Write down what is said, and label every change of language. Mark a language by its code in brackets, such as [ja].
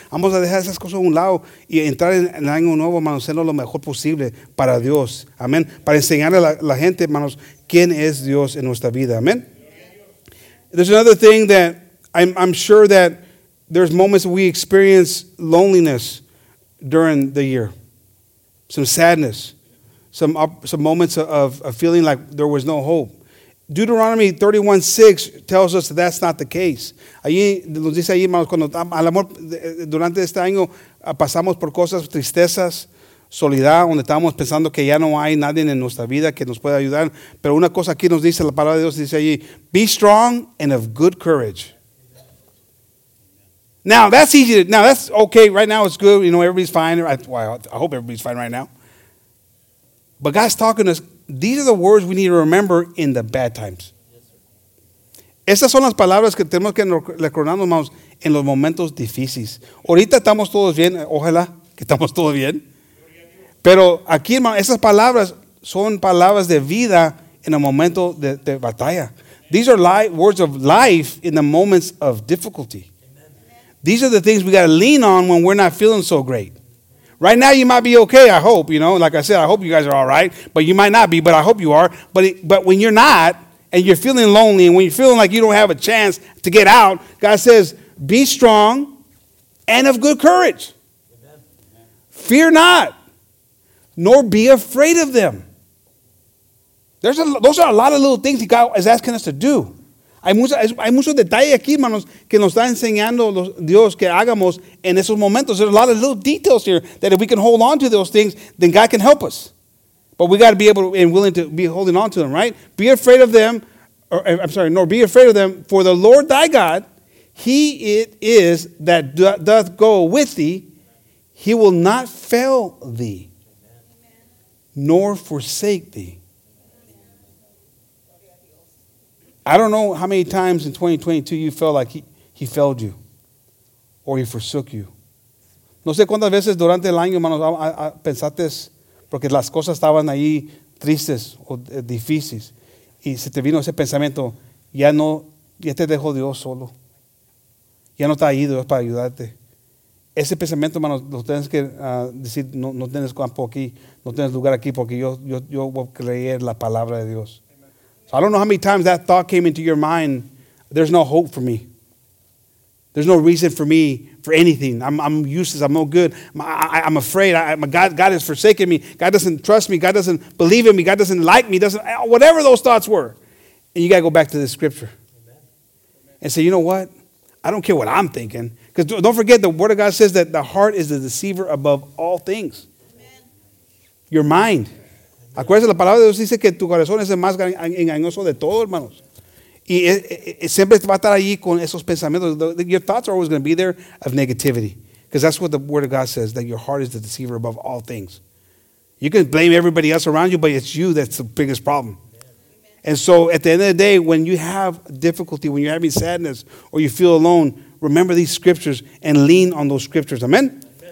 [es] Vamos a dejar esas cosas a un lado y entrar en el año nuevo, hermanos, siendo lo mejor posible para Dios. Amén. Para enseñarle a la gente, hermanos, quién es Dios en nuestra vida. Amén. [en] There's another thing that I'm sure that there's moments we experience loneliness during the year, some sadness, some moments of feeling like there was no hope. Deuteronomy 31:6 tells us that that's not the case. [es] Allí nos dice ahí, hermanos, cuando al amor durante este año pasamos por cosas, tristezas, soledad, donde estábamos pensando que ya no hay nadie en nuestra vida que nos pueda ayudar. Pero una cosa aquí nos dice la palabra de Dios, dice allí, [en] be strong and of good courage. Now, that's easy. Now, that's okay. Right now, it's good. You know, everybody's fine. I hope everybody's fine right now. But God's talking to us. These are the words we need to remember in the bad times. [es] Estas son las palabras que tenemos que recordarnos en los momentos difíciles. Ahorita estamos todos bien. Ojalá que estamos todos bien. Pero aquí, hermano, esas palabras son palabras de vida en el momento de batalla. [en] These are words of life in the moments of difficulty. These are the things we got to lean on when we're not feeling so great. Right now, you might be okay, I hope. You know, like I said, I hope you guys are all right. But you might not be, but I hope you are. But when you're not, and you're feeling lonely, and when you're feeling like you don't have a chance to get out, God says, be strong and of good courage. Fear not, nor be afraid of them. Those are a lot of little things God is asking us to do. [es] Hay mucho detalle aquí, hermanos, que nos está enseñando Dios que hagamos en esos momentos. [en] There's a lot of little details here that if we can hold on to those things, then God can help us. But we got to be able and willing to be holding on to them, right? Be afraid of them, nor be afraid of them, for the Lord thy God, he it is that doth go with thee, he will not fail thee, nor forsake thee. I don't know how many times in 2022 you felt like he failed you or he forsook you. [es] No sé cuántas veces durante el año, hermanos, pensaste porque las cosas estaban ahí tristes o difíciles y se te vino ese pensamiento, ya te dejó Dios solo. Ya no está ahí Dios para ayudarte. Ese pensamiento, hermanos, lo tienes que decir, no tienes campo aquí, no tienes lugar aquí porque yo voy a creer la palabra de Dios. [en] So I don't know how many times that thought came into your mind. There's no hope for me. There's no reason for me for anything. I'm useless. I'm no good. I'm afraid. God has forsaken me. God doesn't trust me. God doesn't believe in me. God doesn't like me. Whatever those thoughts were. And you got to go back to the scripture. Amen. And say, you know what? I don't care what I'm thinking. Because don't forget, the word of God says that the heart is the deceiver above all things. Amen. Your mind. [es] Acuérdense, la palabra de Dios dice que tu corazón es el más engañoso de todo, hermanos. Y siempre va a estar allí con esos pensamientos. [en] Your thoughts are always going to be there of negativity. Because that's what the word of God says, that your heart is the deceiver above all things. You can blame everybody else around you, but it's you that's the biggest problem. And so at the end of the day, when you have difficulty, when you're having sadness, or you feel alone, remember these scriptures and lean on those scriptures. Amen?